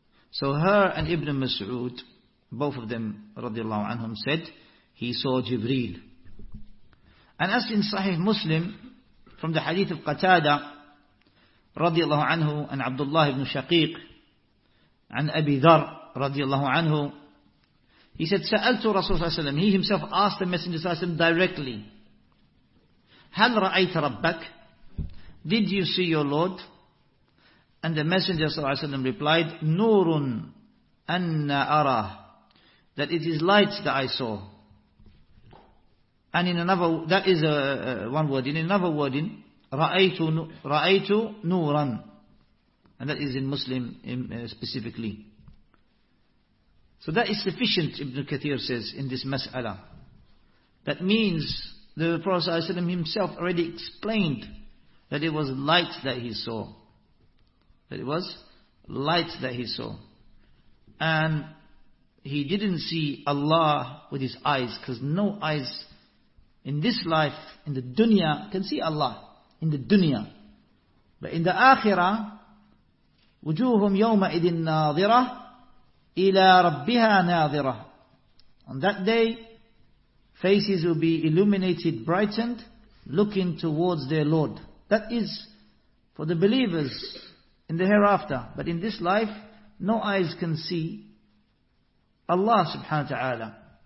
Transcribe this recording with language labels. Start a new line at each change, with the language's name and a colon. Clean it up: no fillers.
English: So her and Ibn Mas'ud, both of them, radiallahu anhum, said, he saw Jibreel. And as in Sahih Muslim, from the hadith of Qatada, radiallahu anhu, and Abdullah ibn Shaqiq, and Abi Dhar, radiallahu anhu, he said,
Arabic: سَأَلْتُ رَسُولُ صَلَّى اللَّهُ عَلَيْهِ وَسَلَّمَ.
English: He himself asked the Messenger صلى الله عليه وسلم directly,
Arabic: هَلْ رَأَيْتَ رَبَّكَ.
English: Did you see your Lord? And the Messenger صلى الله عليه وسلم replied,
Arabic: نُورٌ أَنَّ أَرَاهُ.
English: That it is light that I saw. And in another, that is one word. In another word, in
Arabic: رَأَيْتُ نُورًا.
English: And that is in Muslim specifically. So that is sufficient, Ibn Kathir says, in this mas'ala. That means the Prophet ﷺ himself already explained that it was light that he saw. That it was light that he saw. And he didn't see Allah with his eyes, because no eyes in this life, in the dunya, can see Allah. In the dunya. But in the akhirah,
Arabic: وُجُوهُمْ يَوْمَئِذٍ نَاظِرَةٍ إِلَىٰ رَبِّهَا نَاظِرَةٌ.
English: On that day, faces will be illuminated, brightened, looking towards their Lord. That is for the believers in the hereafter. But in this life, no eyes can see Allah subhanahu wa ta'ala.